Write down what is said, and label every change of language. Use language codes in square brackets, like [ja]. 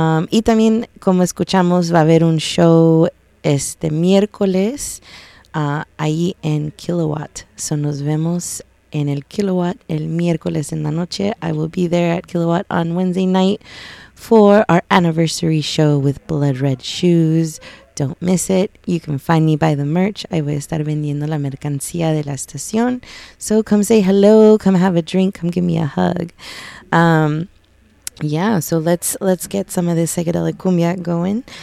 [es] Y también, como escuchamos, va a haber un show este miércoles ahí en Kilowatt. So nos vemos en el Kilowatt el miércoles en la noche. [en] I will be there at Kilowatt on Wednesday night for our anniversary show with Blood Red Shoes. Don't miss it. You can find me by the merch. [es] I voy a estar vendiendo la mercancía de la estación. [en] So come say hello. Come have a drink. Come give me a hug. Yeah, so let's get some of this psychedelic cumbia going.